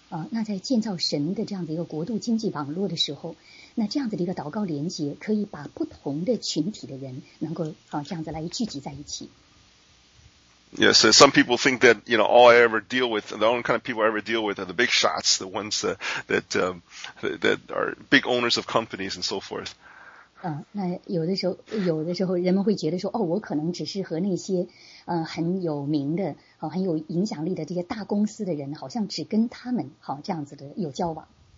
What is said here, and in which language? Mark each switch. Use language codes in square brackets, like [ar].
[zh] 那在建造神的这样的一个国度经济网络的时候，那这样子的一个祷告连结可以把不同的群体的人能够这样子来聚集在一起。 [en] Yes, so some people think that, you know, all I ever deal with, the only kind of people I ever deal with are the big shots, the ones that are big owners of companies and so forth. [zh] 那有的时候人们会觉得说，哦，我可能只是和那些很有名的，很有影响力的这些大公司的人，好像只跟他们这样子的有交往。